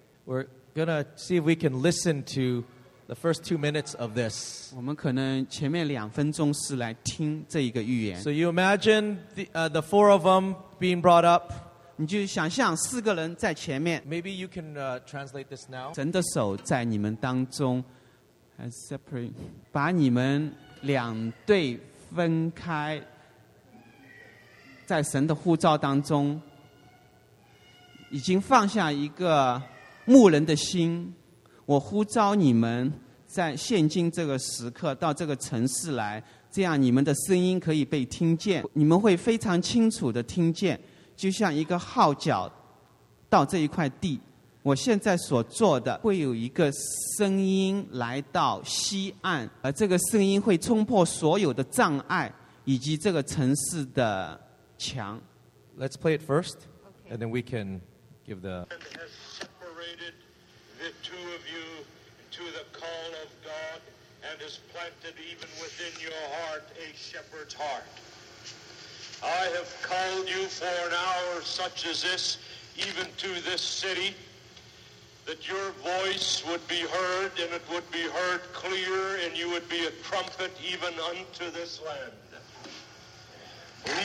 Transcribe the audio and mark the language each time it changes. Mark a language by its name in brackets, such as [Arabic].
[English] We're going to see if we can listen to the first 2 minutes of this. [Chinese] 我们可能前面两分钟是来听这一个预言。 [English] So you imagine the four of them being brought up. [Chinese] 你就想象四个人在前面。 [English] Maybe you can translate this now. [Chinese] 神的手在你们当中。 [English] And separate, [Chinese] 把你们两队分开, 在神的呼召当中, 已经放下一个牧人的心, 我呼召你们, 在现今这个时刻, 到这个城市来, 这样你们的声音可以被听见, 你们会非常清楚地听见, 就像一个号角, 到这一块地, 我现在所做的会有一个声音来到西岸, 而这个声音会冲破所有的障碍, 以及这个城市的墙。 [English] Let's play it first, and then we can give the... ...has separated the two of you to the call of God and has planted even within your heart a shepherd's heart. I have called you for an hour such as this, even to this city, that your voice would be heard, and it would be heard clear, and you would be a trumpet even unto this land.